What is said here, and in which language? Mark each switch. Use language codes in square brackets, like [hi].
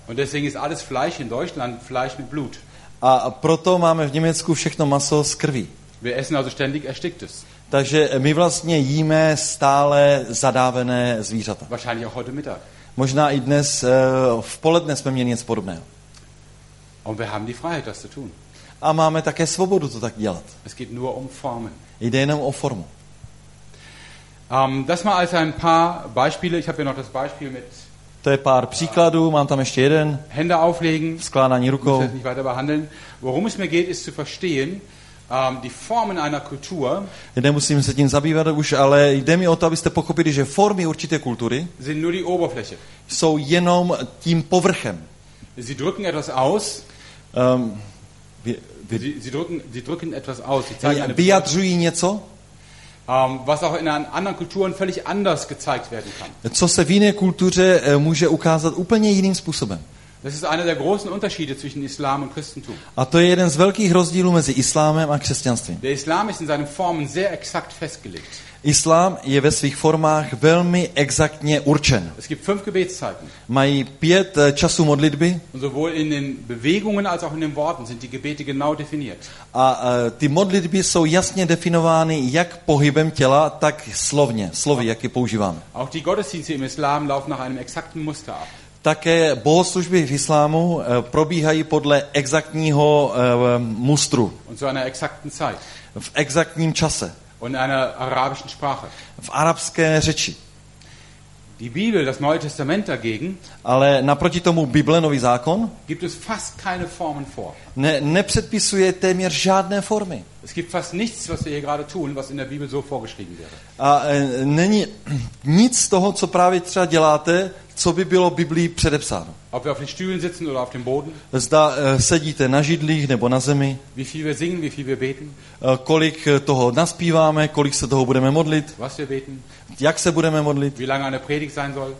[de] Und deswegen ist alles Fleisch in Deutschland Fleisch mit Blut. [cs] A proto máme v Německu všechno maso z krví. [de] Wir essen also ständig ersticktes. [cs] Takže my vlastně jíme stále zadávené zvířata. [de] Wahrscheinlich auch heute Mittag. [cs] Možná i dnes v poledne jsme měli něco podobného. [de] Und wir haben die Freiheit, das zu tun. [cs] A máme také svobodu to tak dělat. [de] Es geht nur um Formen. [cs] Jde jenom o formu. [de] Das mal als ein paar Beispiele. Ich habe hier noch das Beispiel mit. [cs] To je pár příkladů. Mám tam ještě jeden. [de] Hände auflegen. [cs] Skládání rukou. Musíme [de] nicht weiter behandeln. Worum es mir geht, ist zu verstehen die Formen einer Kultur. [cs] Nemusím se tím zabývat už, ale jde mi o to, abyste pochopili, že formy určité kultury [de] sind nur die Oberfläche. [cs] Jsou jenom tím povrchem. [de] Sie drücken etwas aus. Sie drücken etwas aus. Sie zeigen eine [cs] vyjadřují něco, [de] was auch in anderen Kulturen völlig anders gezeigt werden kann. [cs] Co se v jiné kultuře může ukázat úplně jiným způsobem. [de] Das ist einer der großen Unterschiede zwischen Islam und Christentum. [cs] A to je jeden z velkých rozdílů mezi islámem a křesťanstvím. [de] Der Islam ist in seinen Formen sehr exakt festgelegt. [cs] Islám je ve svých formách velmi exaktně určen. [de] Es gibt 5 Gebetszeiten. [cs] Mají 5 času modlitby. [de] Und sowohl in den Bewegungen als auch in den Worten sind die Gebete genau definiert. [cs] A ty modlitby jsou jasně definovány jak pohybem těla, tak slovně, slovy, jak je používáme. [de] Auch die Gottesdienste im Islam laufen nach einem exakten Muster ab. [cs] Také bohoslužby v islámu probíhají podle exaktního mustru. [de] Und zu einer exakten Zeit. [cs] V exaktním čase. [de] Und einer arabischen Sprache. [cs] V arabské řeči. [de] Die Bibel, das Neue Testament dagegen, [cs] ale naproti tomu Bible, Nový zákon, [de] gibt es fast keine Formen vor. [cs] Nepředpisuje téměř žádné formy. [de] Es gibt fast nichts, was wir hier gerade tun, was in der Bibel so vorgeschrieben wäre. [cs] A není nic z toho, co právě třeba děláte, co by bylo Biblii předepsáno. [de] Ob wir auf den Stühlen sitzen oder auf dem Boden. [cs] Zda sedíte na židlích nebo na zemi. [de] Wie viel wir singen, wie viel wir beten. [cs] Kolik toho naspíváme, kolik se toho budeme modlit. [de] Was wir beten. [cs] Jak se budeme modlit. [de] Wie lange eine Predigt sein soll.